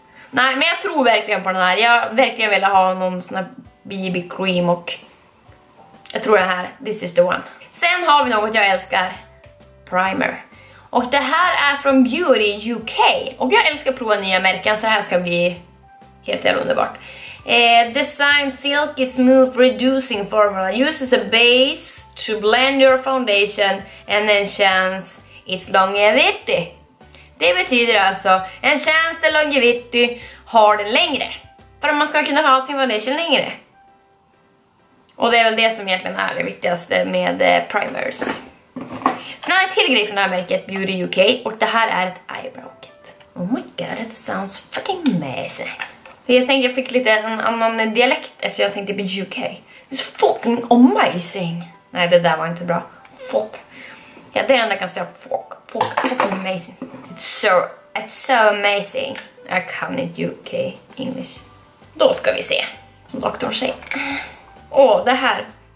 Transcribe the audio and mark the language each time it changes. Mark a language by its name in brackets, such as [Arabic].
[Swedish] Nej, men jag tror verkligen på den här. Jag verkligen ville ha någon sån här BB cream och jag tror det här, [English] this is the one. [Swedish] Sen har vi något jag älskar. Primer. Och det här är från Beauty UK. Och jag älskar att prova nya märken så det här ska bli helt jävla underbart. [English] Design silky smooth reducing formula uses a base to blend your foundation and enhance its longevity. [Swedish] Det betyder alltså en chans till longevity har den längre. För att man ska kunna ha sin foundation längre. Och det är väl det som egentligen är det viktigaste med primers. Så nu har jag till grej från det här märket Beauty UK och det här är ett eyebrow kit. [English] Oh my god, it sounds fucking amazing. [Swedish] Jag tänkte jag fick lite en annan dialekt efter jag tänkte på UK. [English] It's fucking amazing. [Swedish] Nej, det där var inte bra. Fuck. Ja, det är den där kan säga fuck. [English] Fuck, fucking amazing. It's so amazing. I can't in UK English. [Swedish] Då ska vi se. Som doktorn säger. Åh, det här.